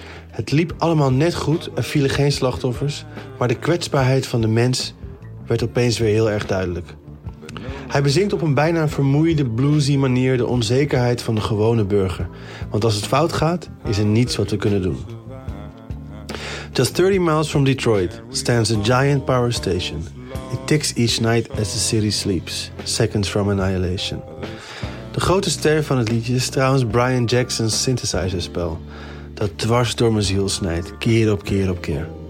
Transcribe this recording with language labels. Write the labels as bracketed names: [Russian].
[Dutch] Het liep allemaal net goed, er vielen geen slachtoffers, maar de kwetsbaarheid van de mens werd opeens weer heel erg duidelijk. Hij bezingt op een bijna vermoeide, bluesy manier de onzekerheid van de gewone burger. Want als het fout gaat, is er niets wat we kunnen doen. [English] Just 30 miles from Detroit stands a giant power station. It ticks each night as the city sleeps, seconds from annihilation. [Dutch] De grote ster van het liedje is trouwens Brian Jackson's synthesizerspel. Dat dwars door mijn ziel snijdt, keer op keer op keer.